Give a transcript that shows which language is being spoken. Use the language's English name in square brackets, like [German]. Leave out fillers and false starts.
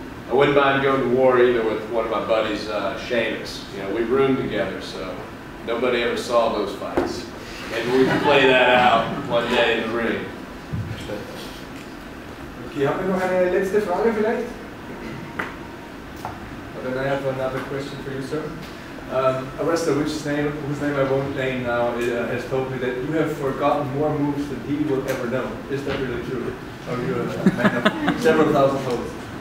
[English] I wouldn't mind going to war either with one of my buddies, Sheamus. We roomed together, so nobody ever saw those fights. Maybe we can play that out one day in the ring. [German] Okay, haben wir noch eine letzte Frage vielleicht? [English] Or then I have another question for you, sir. A wrestler whose name I won't name now has told me that you have forgotten more moves than he will ever know. Is that really true? Are you a man of several thousand moves?